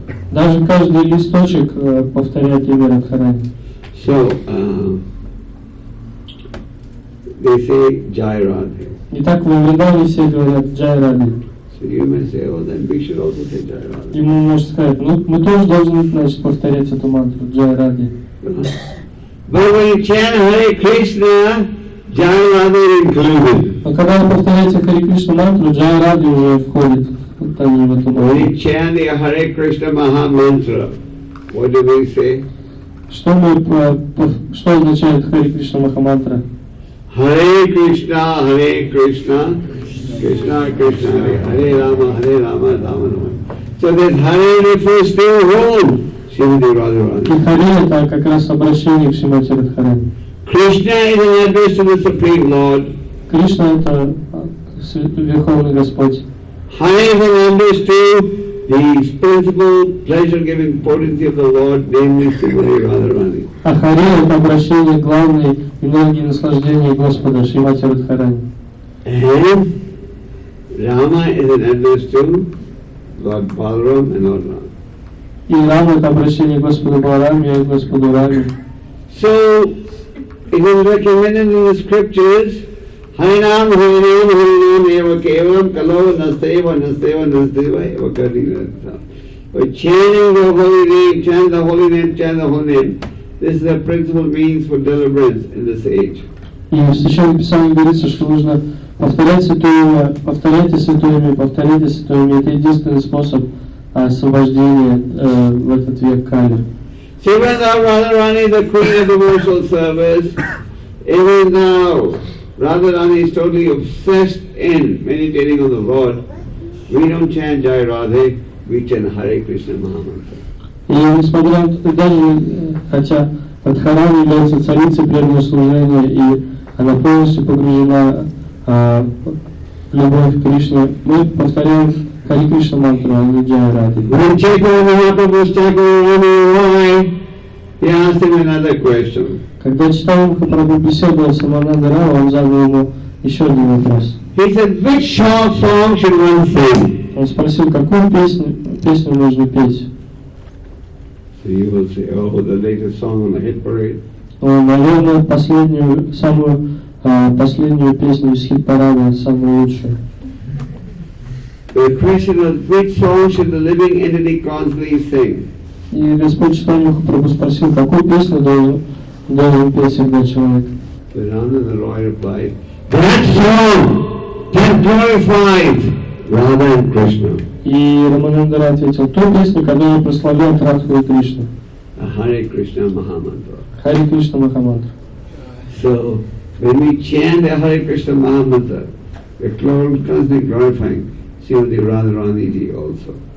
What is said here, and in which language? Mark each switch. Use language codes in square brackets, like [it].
[ru] Даже каждый листочек повторяет имя Радхарани. [en] So, they say Jai Radhe. [ru] Итак, во Вриндаване все говорят Jai Radhe. [en] So you may say, well, then we should also say Jai Radhe. [ru] Ну, мы тоже должны, значит, повторять эту мантру Jai Radhe. [en] But when you chant Hare Krishna, Jai Radhe is included. [ru] А когда вы повторяете Хари Кришна мантру, Джай Радхе уже входит. [en] When you chant the Hare Krishna Maha Mantra, what do we say? [ru] Что означает Хари Кришна Маха Мантра? [en] Hare Krishna, Hare Krishna, Krishna Krishna, Hare Rama, Hare Rama, Rama Rama. So this Hare refers to whom? Shrimati Radharani. [ru] Hare это как раз обращение к Шримати Радхаре. [en] Krishna is an address to the Supreme Lord. [ru] Krishna это Верховный Господь. [en] Hare is an address to the principal pleasure-giving potency of the Lord, namely Shrimati Radharani. [ru] А Хари это обращение к главной энергии наслаждения Господа Шримати Радхарани. [en] Rama is an address to Lord Balaram and Lord Ram. [ru] И Рама это обращение к Господу Баларам и Господу Раме. [en] So it is recommended in the scriptures, Hari Nam, Hari Nam, Hari Nam, Eva Kevam, Kalo, Nasteva, Nasteva, Nasteva, Eva Kari Nasteva. By chanting the holy name, chant the holy name, chant the holy name. This is the principal means for deliverance in this age. [ru] И в Священном Писании говорится, что нужно повторять святое имя, повторяйте святое имя, повторяйте святое имя. Это единственный способ освобождения в этот век Кали. [en] Even now, Radharani, the queen of devotional service, even now, Radharani is totally obsessed in meditating on the Lord. We don't chant Jai Radhe, we chant Hare Krishna Mahamantra. [ru] И несмотря на то, даже хотя Радхарани является царицей преданного служения, и она полностью погружена в любовь к Кришне, мы повторяем Хари Кришна мантру, а не Джай Радхе. [en] When Chaitanya Mahaprabhu was talking with him, he asked him another question. [ru] Когда Чайтанья Махапрабху беседовал с Ананда Рао, он задал ему еще один вопрос. [en] He said, which short song should one sing? [ru] Он спросил, какую песню нужно петь? [en] So you will say, oh, the latest song on the hit parade. [ru] Наверное, последнюю песню из хит парада, самую лучшую. [en] The question was, which song should the living entity constantly sing? [ru] И Господь Чайтанья Махапрабху спросил, какую песню должен петь всегда человек. [en] The Ananda Roy replied, that song that glorifies Radha and Krishna. [ru] И Рамананда ответил, ту песню, которая прославляет Радху и Кришну. [en] Hare Krishna Mahamantra. Hare Krishna Mahamantra. So, when we chant the Hare Krishna Mahamantra, we are constantly glorifying Srimati Radharani Ji also.